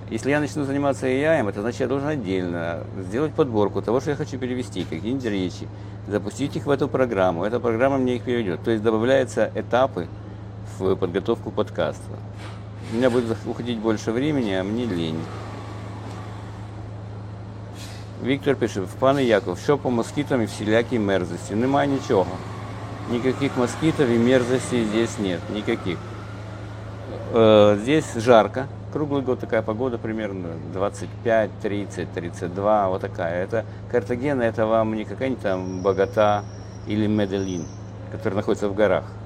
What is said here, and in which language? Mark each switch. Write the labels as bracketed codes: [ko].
[ru] Если я начну заниматься AI, это значит, я должен отдельно сделать подборку того, что я хочу перевести, какие-нибудь речи, запустить их в эту программу. Эта программа мне их переведет. То есть добавляются этапы в подготовку подкаста. У меня будет уходить больше времени, а мне лень. Виктор пишет, [uk] пане Яков, що по москитам и всілякій мерзості? Немає нічого. [ru] Никаких москитов и мерзости здесь нет. Никаких. Здесь жарко. Круглый год такая погода, примерно 25, 30, 32, вот такая. Это Картагена, это вам не какая-нибудь там Богота или Меделин, который находится в горах.